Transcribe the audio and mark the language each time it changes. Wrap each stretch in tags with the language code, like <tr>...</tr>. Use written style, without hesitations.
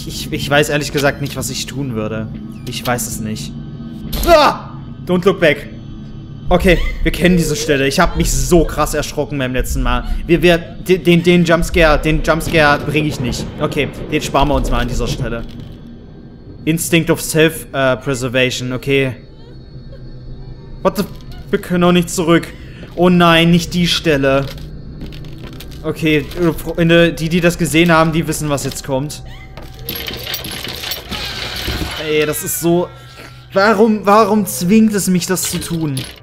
<de>Ich weiß ehrlich gesagt nicht, was ich tun würde. Ich weiß es nicht. Ah!</de> <en>Don't look back.</en> <de>Okay, wir kennen diese Stelle. Ich habe mich so krass erschrocken beim letzten Mal. Den Jumpscare bringe ich nicht. Okay, den sparen wir uns mal an dieser Stelle.</de> <en>Instinct of Self-Preservation, okay. What the...</en> <de>Wir können auch nicht zurück. Oh nein, nicht die Stelle. Okay, Freunde, die das gesehen haben, die wissen, was jetzt kommt. Ey, das ist so... Warum zwingt es mich, das zu tun?</de>